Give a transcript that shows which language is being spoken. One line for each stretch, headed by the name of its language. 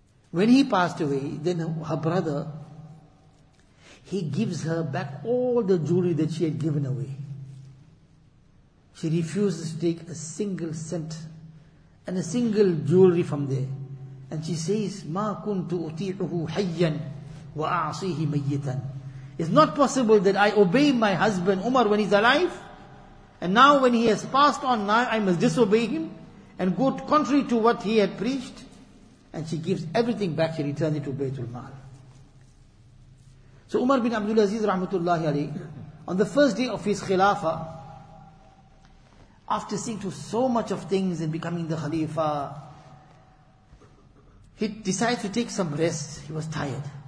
English: When he passed away, then her brother, he gives her back all the jewelry that she had given away. She refuses to take a single cent and a single jewelry from there. And she says,
Arabic: مَا كُنْتُ أُطِيعُهُ حَيًّا وَأَعْصِيهِ مَيِّتًا.
English: It's not possible that I obey my husband Umar when he's alive, and now when he has passed on, now I must disobey him and go contrary to what he had preached. And she gives everything back, she returns it to Baytul Mal. So Umar bin Abdul Aziz rahmatullahi alayhi, on the first day of his Khilafah, after seeing to so much of things and becoming the Khalifa, he decides to take some rest. He was tired.